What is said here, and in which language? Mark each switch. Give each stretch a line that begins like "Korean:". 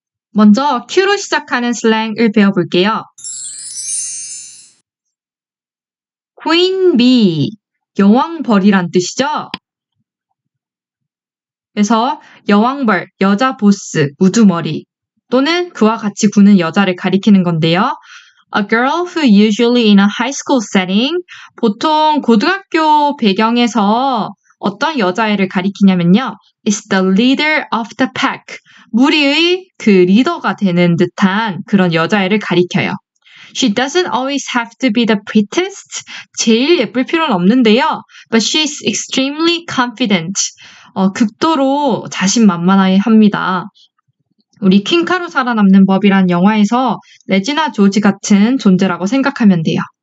Korean: 먼저 Q로 시작하는 슬랭을 배워볼게요. Queen Bee, 여왕 벌이란 뜻이죠? 그래서 여왕 벌, 여자 보스, 우두머리. 또는 그와 같이 구는 여자를 가리키는 건데요.
English: A girl who usually in a high school setting.
Korean: 보통 고등학교 배경에서 어떤 여자애를 가리키냐면요.
English: is the leader of the pack.
Korean: 무리의 그 리더가 되는 듯한 그런 여자애를 가리켜요.
English: She doesn't always have to be the prettiest.
Korean: 제일 예쁠 필요는 없는데요.
English: But she's extremely confident.
Korean: 극도로 자신만만해 합니다. 우리 퀸카로 살아남는 법이란 영화에서 레지나 조지 같은 존재라고 생각하면 돼요.